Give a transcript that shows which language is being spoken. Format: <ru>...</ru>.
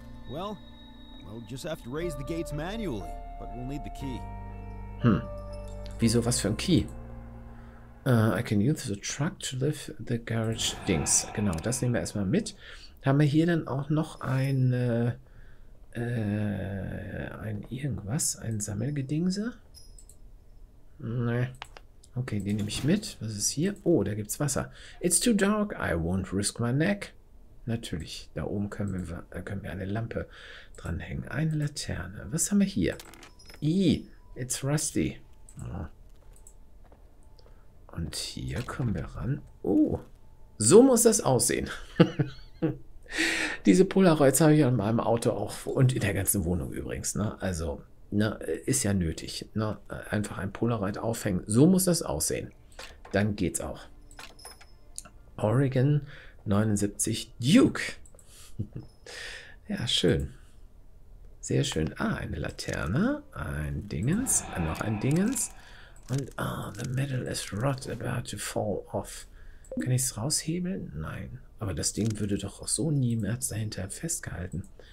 <en>Well, just have to raise the gates manually, but we'll need the key.</en> <de>Wieso, was für ein Key?</de> <en>I can use the truck to lift the garage dings.</en> <de>Genau, das nehmen wir erstmal mit. Haben wir hier dann auch noch ein irgendwas, ein Sammelgedingse? Nee. Okay, den nehme ich mit. Was ist hier? Oh, da gibt's Wasser.</de> <en>It's too dark. I won't risk my neck.</en> <de>Natürlich. Da oben können wir eine Lampe dranhängen. Eine Laterne. Was haben wir hier?</de> <en>It's rusty.</en> <de>Und hier kommen wir ran. Oh, so muss das aussehen. Diese Polaroids habe ich an meinem Auto auch und in der ganzen Wohnung übrigens. Ne? Also, ne, ist ja nötig. Ne? Einfach ein Polaroid aufhängen. So muss das aussehen. Dann geht's auch. Oregon 79 Duke. Ja, schön. Sehr schön. Ah, eine Laterne. Ein Dingens. Noch ein Dingens.</de> <en>Und ah, the metal is rot about to fall off.</en> <de>Kann ich es raushebeln? Nein. Aber das Ding würde doch auch so niemals dahinter festgehalten.</de>